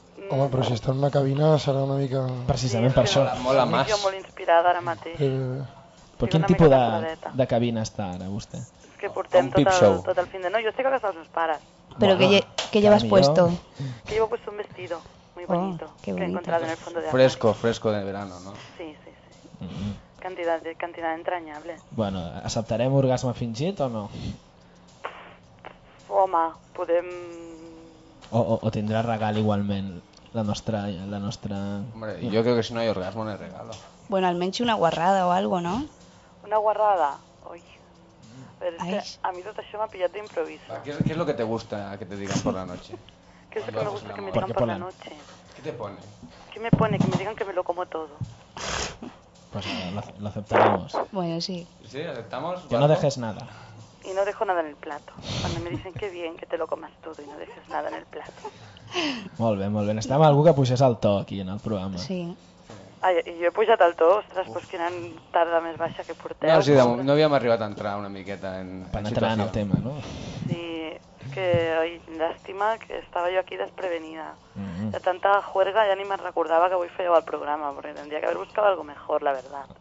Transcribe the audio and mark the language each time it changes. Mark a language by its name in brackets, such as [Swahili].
[Catalan] Home, però si està en una cabina serà una mica... Precisament per això. Mola més. Estic jo molt inspirada ara mateix. Però quin tipus de cabina està ara, vostè? És que portem tot el [Spanish] fin de... [Catalan] No, jo estic a casa dels meus pares. Però què [Spanish] llevas puesto? Que llevo puesto un vestido. Muy bonito, que he encontrado en el fondo de fresco, Amari. Fresco de verano, ¿no? Sí. Mm-hmm. Cantidad entrañable. [Catalan] Bueno, ¿aceptarem orgasme fingit o no? Home, podem... O tindrà regal igualment la nostra... [Spanish] Hombre, no. Yo creo que si no hay orgasmo no hay regalo. [Catalan] Bueno, almenys una guarrada o algo, ¿no? Una guarrada, oi. [Spanish] Pero es que a mí todo [Catalan] això m'ha pillat d'improviso. [Spanish] ¿Qué es lo que te gusta que te digan por la noche? ¿Qué es lo que me gusta que me digan por la noche? ¿Qué te pone? ¿Qué me pone? Que me digan que me lo como todo. Pues lo aceptamos. Bueno, sí. ¿Sí? ¿Aceptamos? Que no dejes nada. Y no dejo nada en el plato. Cuando me dicen que bien, que te lo comas todo y no dejes nada en el plato. [Catalan] Molt bé. Estava algú que pujés al to aquí en el programa. Sí. Ah, i jo he pujat al to, ostres, pues quina tarda més baixa que porteu. No, sí, no havíem arribat a entrar una miqueta en situació. Penetrar en el tema, no? Sí, és que, oi, llàstima que estava jo aquí desprevenida. De tanta juerga ja ni me'n recordava que avui fèieu el programa, perquè tendria que haver buscat [Spanish] algo mejor, la verdad.